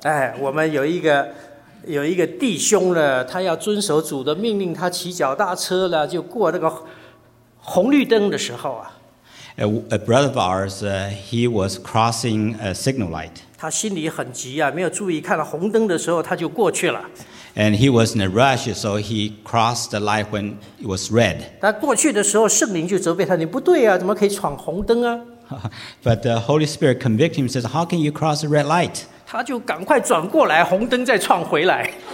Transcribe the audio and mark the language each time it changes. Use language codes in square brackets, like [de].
[zh] 哎，我们有一个弟兄呢，他要遵守主的命令，他骑脚踏车了，就过那个红绿灯的时候啊。 [en] A brother of ours, he was crossing a signal light. [zh] 他心里很急啊，没有注意，看到红灯的时候他就过去了。 [en] And he was in a rush, so he crossed the light when it was red. [zh] 他过去的时候，圣灵就责备他：“你不对啊，怎么可以闯红灯啊？” [en] But the Holy Spirit convicted him, says, "How can you cross a red light?" [zh] 他就赶快转过来，红灯再闯回来。